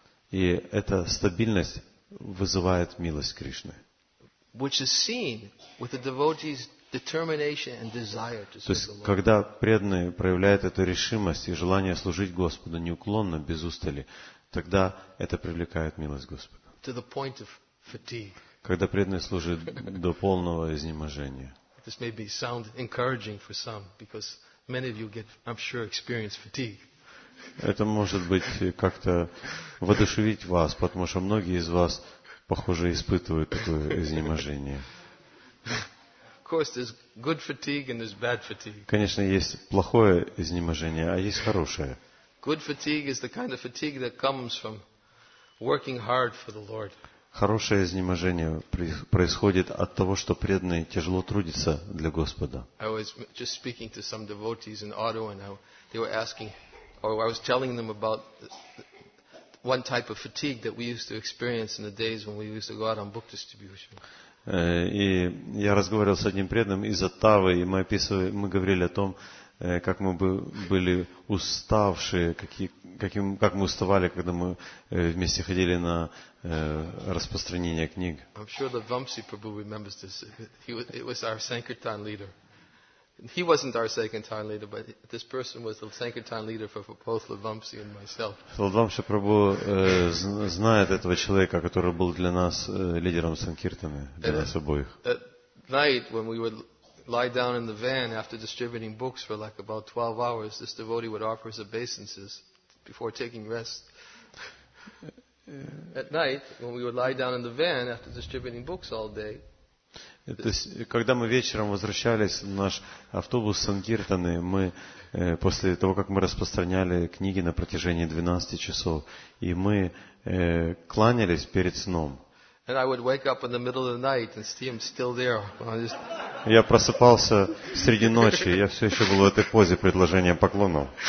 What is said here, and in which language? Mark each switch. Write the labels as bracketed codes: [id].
[ru] И эта стабильность вызывает милость Кришны. [en] Which is seen with the devotee's determination and desire to serve the Lord. [ru] То есть, когда преданный проявляет эту решимость и желание служить Господу неуклонно, без устали, тогда это привлекает милость Господа. [en] To the point of fatigue. [ru] Когда преданный служит до полного изнеможения. [en] This may be sound encouraging for some, because many of you get, I'm sure, experience fatigue. [ru] Это может быть как-то воодушевить вас, потому что многие из вас, похоже, испытывают такое изнеможение. [en] Of course, there's good fatigue and there's bad fatigue. [ru] Конечно, есть плохое изнеможение, а есть хорошее. [en] Good fatigue is the kind of fatigue that comes from working hard for the Lord. [ru] Хорошее изнеможение происходит от того, что преданный тяжело трудится для Господа. [en] I was just speaking to some devotees in Ottawa, and they were asking, or I was telling them about one type of fatigue that we used to experience in the days when we used to go out on book distribution. [ru] И я разговаривал с одним преданным из Оттавы, и мы говорили о том, как мы были уставшие, как мы уставали, когда мы вместе ходили на распространение книг. [en] I'm sure that Vamsi Prabhu remembers this. It was our Sankirtan leader. He wasn't our Sankirtan leader, but this person was the Sankirtan leader for both Lavamsi and myself. [ru] Лавамши Прабху знает этого человека, который был для нас лидером Санкиртаны, для нас обоих. [en] At night, when we would lie down in the van after distributing books for like about 12 hours, this devotee would offer his obeisances before taking rest. At night, when we would lie down in the van after distributing books all day, [ru] то есть, когда мы вечером возвращались в наш автобус Санкиртаны, мы после того, как мы распространяли книги на протяжении 12 часов, и мы кланялись перед сном. Я просыпался среди ночи, я все еще был в этой позе предложения поклонов.